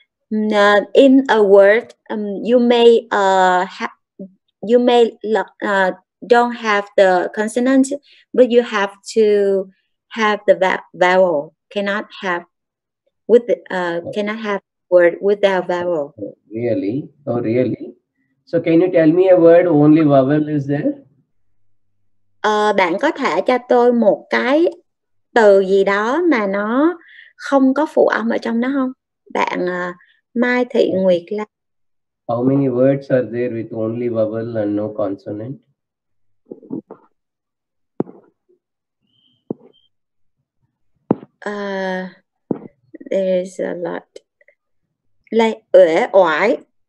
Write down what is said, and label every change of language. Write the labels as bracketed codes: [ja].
[en] in a word, don't have the consonant, but you have to have the vowel. Cannot have word without vowel. Really? Oh, really? So can you tell me a word only vowel is there? [vi] Bạn có thể cho tôi một cái từ gì đó mà nó không có phụ âm ở trong đó không? Bạn Mai Thị Nguyệt là. [en] How many words are there with only vowel and no consonant? There's a lot. Like oải.